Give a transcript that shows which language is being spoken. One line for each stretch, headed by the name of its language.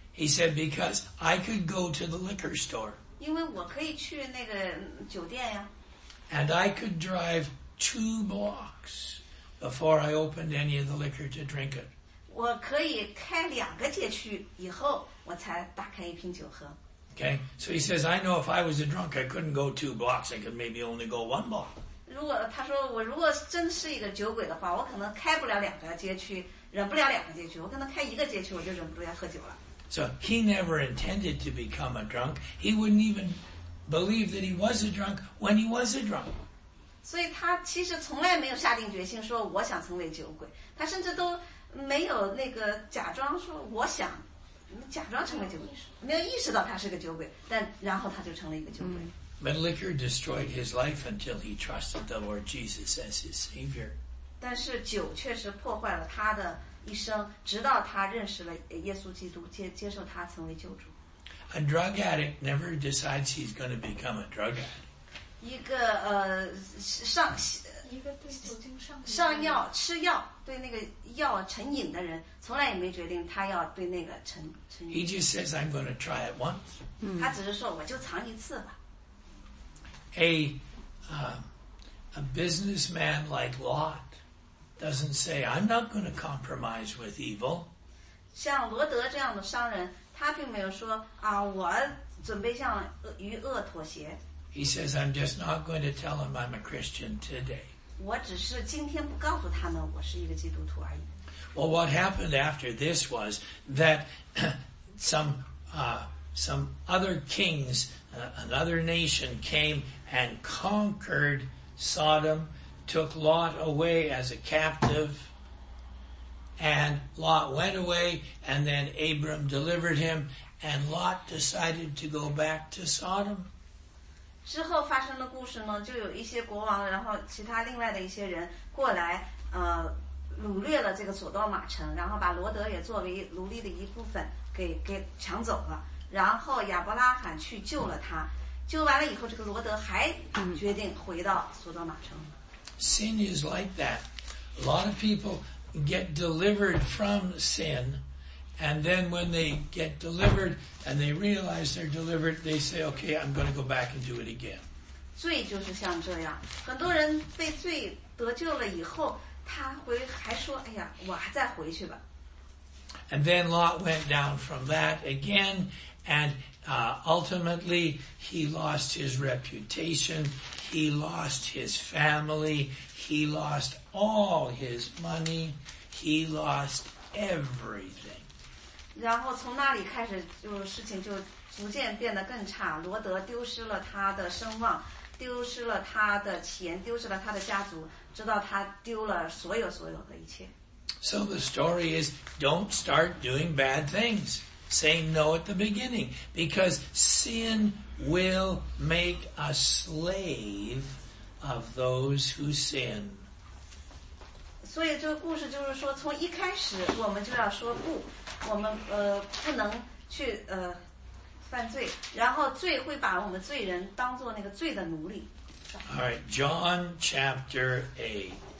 English: He said, "Because I could go to the liquor store."
Chinese: 因为我可以去那个酒店呀。
English: And I could drive 2 blocks. Before I opened any of the liquor to drink it.
Chinese: 我可以开两个街区以后我才打开一瓶酒喝。
English: Okay, so he says, I know if I was a drunk, I couldn't go 2 blocks, I could maybe only go 1 block.
Chinese: 如果他说我如果真是一个酒鬼的话，我可能开不了两个街区，忍不了两个街区，我可能开一个街区我就忍不住要喝酒了。
English: So he never intended to become a drunk. He wouldn't even believe that he was a drunk when he was a drunk.
Chinese: 所以他其实从来没有下定决心说我想成为酒鬼，他甚至都没有那个假装说我想假装成为酒鬼，没有意识到他是个酒鬼，但然后他就成了一个酒鬼。
English: But liquor destroyed his life until he trusted the Lord Jesus as his Savior.
Chinese: 但是酒确实破坏了他的一生，直到他认识了耶稣基督，接受他成为救主。
English: A drug addict never decides he's going to become a drug addict. He just says, I'm going to try it once.
Chinese: 他只是说我就尝一次吧。
English: A businessman like Lot. doesn't say, I'm not going to compromise with evil.
Chinese: 像罗德这样的商人，他并没有说啊，我准备向与恶妥协。
English: He says, I'm just not going to tell him I'm a Christian today.
Chinese: 我只是今天不告诉他们我是一个基督徒而已。
English: Well, what happened after this was that some other kings, another nation came and conquered Sodom, took Lot away as a captive, and Lot went away, and then Abram delivered him, and Lot decided to go back to Sodom.
Chinese: 之后发生的故事呢，就有一些国王，然后其他另外的一些人过来，掳掠了这个索多玛城，然后把罗德也作为奴隶的一部分给抢走了。然后亚伯拉罕去救了他，救完了以后，这个罗德还决定回到索多玛城。
English: Sin is like that. A lot of people get delivered from sin, and then when they get delivered and they realize they're delivered, they say, "Okay, I'm going to go back and do it again."
Chinese: 罪就是像这样，很多人被罪得救了以后。他回还说哎呀我还再回去吧。
English: And then Lot went down from that again, and ultimately he lost his reputation, he lost his family, he lost all his money, he lost everything.
Chinese: 然后从那里开始就事情就逐渐变得更差，罗德丢失了他的声望，丢失了他的钱，丢失了他的家族，直到他丢了所有所有的一切。
English: So the story is, don't start doing bad things. Say no at the beginning, because sin will make a slave of those who sin.
Chinese: 所以这个故事就是说，从一开始我们就要说不，我们不能去犯罪，然后罪会把我们罪人当做那个罪的奴隶。
English: All right, John chapter 8.